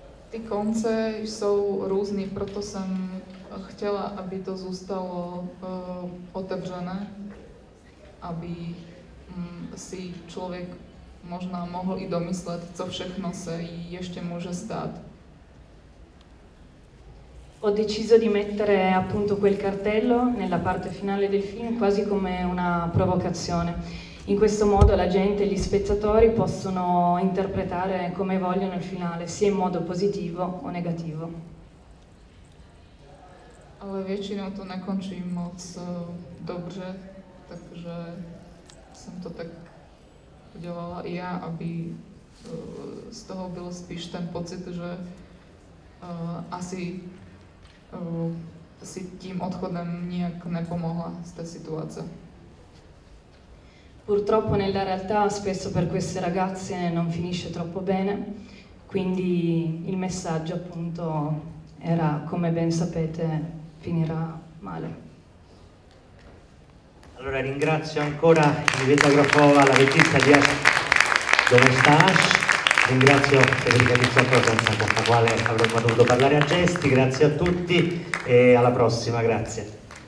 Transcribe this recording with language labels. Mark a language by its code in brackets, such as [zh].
[sk] Tí konce sú rôzni, preto som chcela, aby to zostalo otevřené, aby si človek možno mohol i domysleť, co všechno sa ešte môže stať. [it] Ho deciso di mettere appunto quel cartello nella parte finale del film quasi come una provocazione. In questo modo la gente, gli spettatori, possono interpretare come vogliono il finale, sia in modo positivo o negativo. [cs] Ale väčšinou to nekončím moc dobře, takže som to tak udělala i ja, aby z toho byl spíš ten pocit, že asi si tím odchodem nijak nepomohla z té situace. [it] Purtroppo nella realtà spesso per queste ragazze non finisce troppo bene, quindi il messaggio appunto era, come ben sapete, finirà male. Allora ringrazio ancora Iveta Grofova, la regista di Domestash, ringrazio Federica Pizzotto, senza la quale avrò potuto parlare a gesti, grazie a tutti e alla prossima, grazie.